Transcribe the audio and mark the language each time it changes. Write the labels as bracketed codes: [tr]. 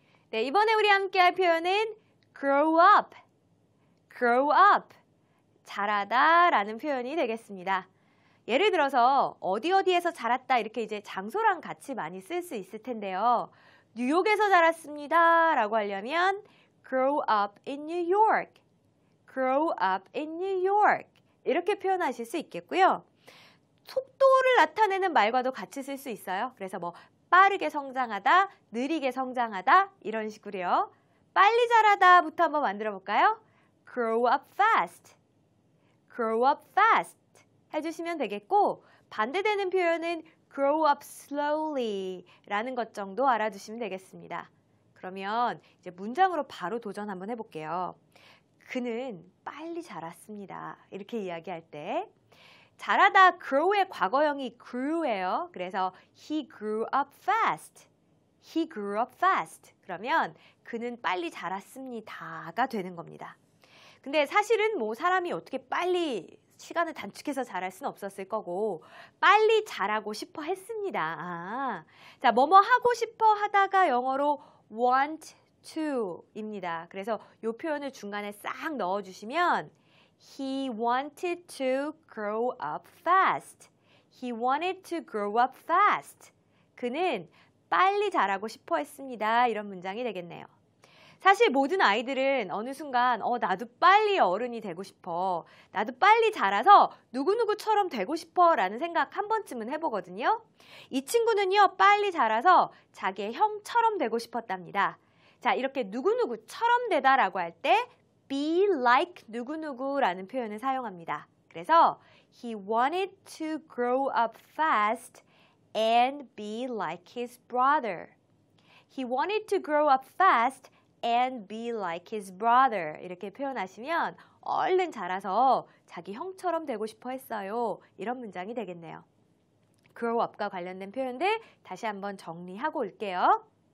[ko] 네, 이번에 우리 함께 할 표현은 [en] grow up. Grow up. [ko] 자라다 라는 표현이 되겠습니다. 예를 들어서 어디 어디에서 자랐다 이렇게 이제 장소랑 같이 많이 쓸 수 있을 텐데요. 뉴욕에서 자랐습니다 라고 하려면 [en] grow up in New York. Grow up in New York. [ko] 이렇게 표현하실 수 있겠고요. 속도를 나타내는 말과도 같이 쓸 수 있어요. 그래서 뭐 빠르게 성장하다, 느리게 성장하다 이런 식으로요. 빨리 자라다부터 한번 만들어 볼까요? [en] Grow up fast. Grow up fast. [ko] 해주시면 되겠고 반대되는 표현은 [en] grow up slowly [ko] 라는 것 정도 알아두시면 되겠습니다. 그러면 이제 문장으로 바로 도전 한번 해볼게요. 그는 빨리 자랐습니다. 이렇게 이야기할 때 자라다 grow의 과거형이 grew예요. 그래서 [en] he grew up fast. He grew up fast. [ko] 그러면 그는 빨리 자랐습니다가 되는 겁니다. 근데 사실은 뭐 사람이 어떻게 빨리 시간을 단축해서 자랄 수는 없었을 거고 빨리 자라고 싶어 했습니다. 아, 자, 뭐뭐 하고 싶어 하다가 영어로 want to입니다. 그래서 이 표현을 중간에 싹 넣어주시면 [en] He wanted to grow up fast. He wanted to grow up fast. [ko] 그는 빨리 자라고 싶어 했습니다. 이런 문장이 되겠네요. 사실 모든 아이들은 어느 순간 나도 빨리 어른이 되고 싶어. 나도 빨리 자라서 누구누구처럼 되고 싶어 라는 생각 한 번쯤은 해보거든요. 이 친구는요, 빨리 자라서 자기의 형처럼 되고 싶었답니다. 자, 이렇게 누구누구처럼 되다라고 할 때 be like 누구누구라는 표현을 사용합니다. 그래서 [en] he wanted to grow up fast and be like his brother. He wanted to grow up fast and be like his brother. [ko] 이렇게 표현하시면 얼른 자라서 자기 형처럼 되고 싶어 했어요. 이런 문장이 되겠네요. grow up과 관련된 표현들 다시 한번 정리하고 올게요.